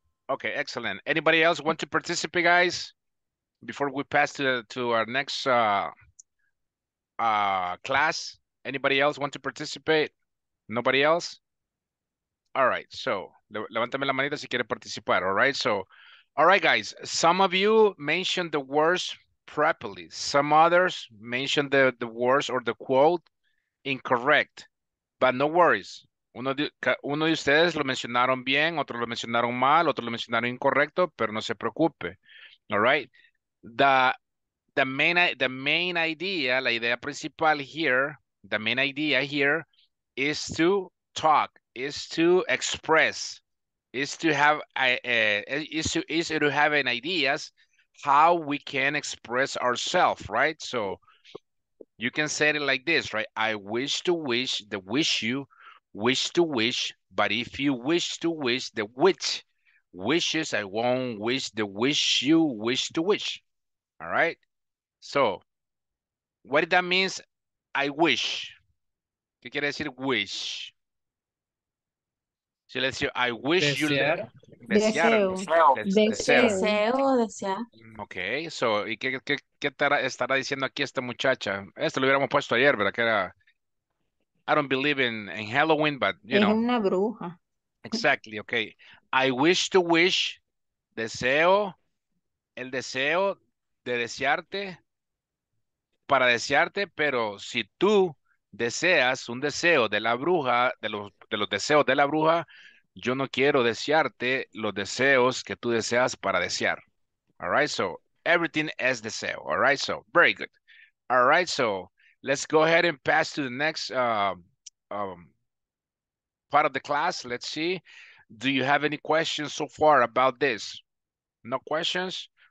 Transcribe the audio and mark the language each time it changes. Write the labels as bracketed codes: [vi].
[en] Okay, excellent. Anybody else want to participate, guys? Before we pass to our next class, anybody else want to participate? Nobody else? All right, so [es] levántame la manita si quiere participar, [en] all right? So, all right, guys, some of you mentioned the words properly. Some others mentioned the words or the quote incorrect, but no worries. [es] Uno de ustedes lo mencionaron bien, otro lo mencionaron mal, otro lo mencionaron incorrecto, pero no se preocupe, [en] all right? The main idea, [es] la idea principal [en] here, the main idea here is to talk, is to express, is to have ideas how we can express ourselves, right? So you can say it like this, right? I wish to wish the wish you wish to wish, but if you wish to wish the which wishes, I won't wish the wish you wish to wish. All right. So what that means, I wish. [es] ¿Qué quiere decir [en] wish? So let's see. I wish [es] desear. [en] You [es] desear. Deseo. [en] Okay. [es] So ¿y qué estará diciendo aquí esta muchacha? Esto lo hubiéramos puesto ayer, ¿verdad? Que era, [en] I don't believe in Halloween, but you [es] es [en] know. [es] Es una bruja. [en] Exactly. Okay. I wish to wish. [es] Deseo. El deseo. De desearte, para desearte, pero si tú deseas un deseo de la bruja, de los deseos de la bruja, yo no quiero desearte los deseos que tú deseas para desear. [en] All right, so everything is deseo. All right, so very good. All right, so let's go ahead and pass to the next part of the class. Let's see. Do you have any questions so far about this? No questions?